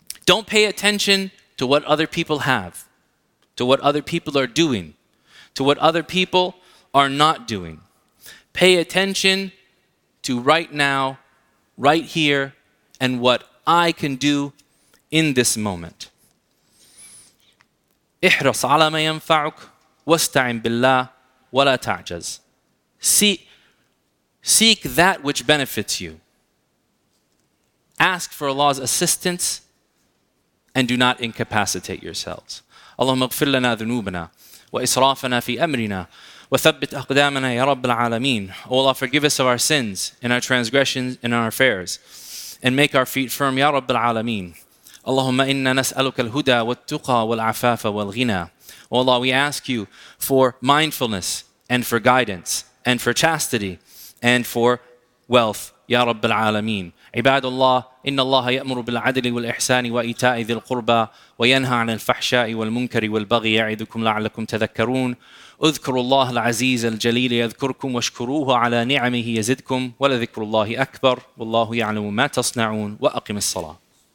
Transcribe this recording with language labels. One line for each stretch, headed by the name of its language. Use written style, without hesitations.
English: Don't pay attention to what other people have, to what other people are doing, to what other people are not doing. Pay attention to right now, right here, and what I can do in this moment.
Arabic: احرص على ما ينفعك واستعن بالله ولا تعجز.
English: Seek that which benefits you. Ask for Allah's assistance and do not incapacitate yourselves.
Arabic: اللهم اغفر لنا ذنوبنا وإسرافنا في أمرنا وثبت أقدامنا يا رب العالمين.
English: O Allah, forgive us of our sins and our transgressions and our affairs and make our feet firm,
Arabic: يا رب العالمين. اللهم إنا نسألك الهدى والتقى والعفاف والغنى.
English: O Allah, we ask you for mindfulness and for guidance and for chastity and for wealth,
Arabic: يا رب العالمين. عباد الله, إن الله يأمر بالعدل والإحسان وإيتاء ذي القربى وينهى عن الفحشاء والمنكر والبغي يعظكم لعلكم تذكرون. اذكروا الله العزيز الجليل يذكركم واشكروه على نعمه يزدكم ولذكر الله أكبر والله يعلم ما تصنعون وأقم الصلاة.